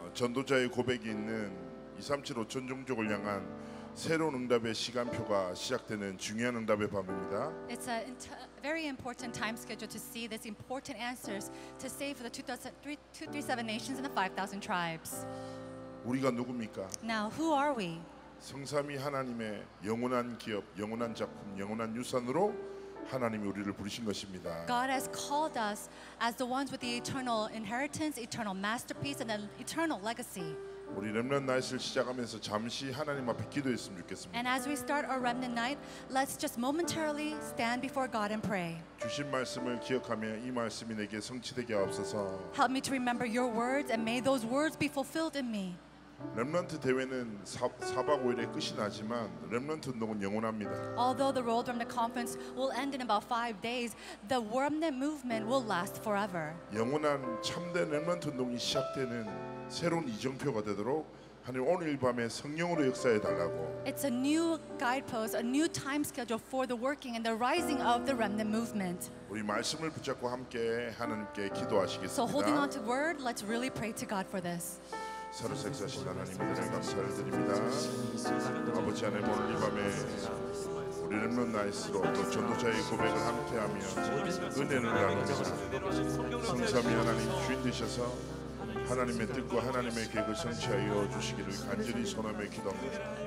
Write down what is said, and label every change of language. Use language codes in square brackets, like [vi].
[ko] 전도자의 고백이 있는 237 5천종족을 향한 새로운 응답의 시간표가 시작되는 중요한 응답의 밤입니다. [en] It's a very important time schedule to see these important answers to save the 237 nations and the 5,000 tribes. [ko] 우리가 누굽니까? [en] Now who are we? [ko] 성삼위 하나님의 영원한 기업, 영원한 작품, 영원한 유산으로 하나님이 우리를 부르신 것입니다. [en] God has called us as the ones with the eternal inheritance, eternal masterpiece, and an eternal legacy. [ko] 우리 렘넌 나잇을 시작하면서 잠시 하나님 앞에 기도했으면 좋겠습니다. [en] And as we start our remnant night, let's just momentarily stand before God and pray. [ko] 주신 말씀을 기억하며 이 말씀이 내게 성취되게 하옵소서. [en] Help me to remember your words and may those words be fulfilled in me. [ko] 렘넌트 대회는 4박 5일에 끝이 나지만 렘넌트 운동은 영원합니다. [en] Although the World Remnant Conference will end in about 5 days, the Remnant Movement will last forever. [ko] 영원한 참된 렘넌트 운동이 시작되는 새로운 이정표가 되도록 하나님 오늘 밤에 성령으로 역사해 달라고. [en] It's a new guidepost, a new time schedule for the working and the rising of the Remnant Movement. [ko] 우리 말씀을 붙잡고 함께 하나님께 기도하시겠습니다. [en] So holding on to word, let's really pray to God for this. [ko] 새로 생사하신 하나님 은혜를 감사를 드립니다. 아버지 하나님 오늘 이 밤에 우리 렘넌트 나이스로 또 전도자의 고백을 함께하며 은혜를 나누며 성삼위 하나님 주인 되셔서 하나님의 뜻과 하나님의 계획을 성취하여 주시기를 간절히 소원하며 기도합니다.